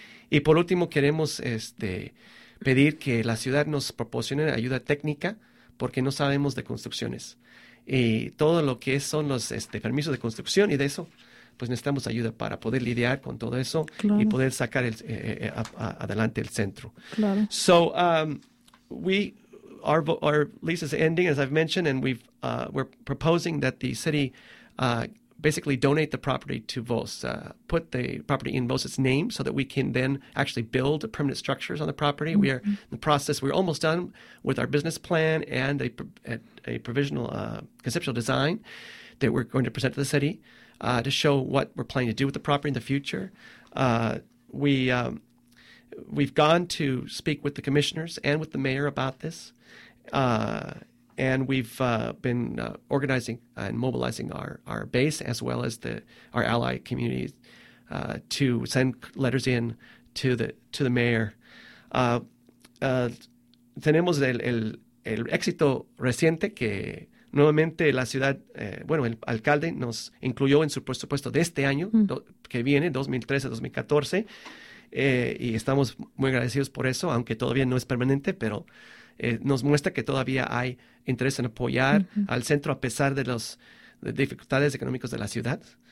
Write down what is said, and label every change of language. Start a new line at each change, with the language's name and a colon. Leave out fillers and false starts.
Spanish: Y por último, queremos pedir que la ciudad nos proporcione ayuda técnica porque no sabemos de construcciones. Y todo lo que son los permisos de construcción y de eso, pues necesitamos ayuda para poder lidiar con todo eso y poder sacar adelante el centro. Claro.
English: So, our lease is ending, as I've mentioned, and we're proposing that the city basically donate the property to Voss, put the property in Voss's name so that we can then actually build permanent structures on the property. Mm-hmm. We are in the process. We're almost done with our business plan and a provisional conceptual design that we're going to present to the city to show what we're planning to do with the property in the future. We've gone to speak with the commissioners and with the mayor about this. And we've been organizing and mobilizing our base as well as our ally communities to send letters in to the mayor.
Spanish: Tenemos el éxito reciente que nuevamente la ciudad, el alcalde nos incluyó en su presupuesto de este año que viene, 2013-2014, y estamos muy agradecidos por eso, aunque todavía no es permanente, pero nos muestra que todavía hay interés en apoyar al centro a pesar de las dificultades económicas de la ciudad.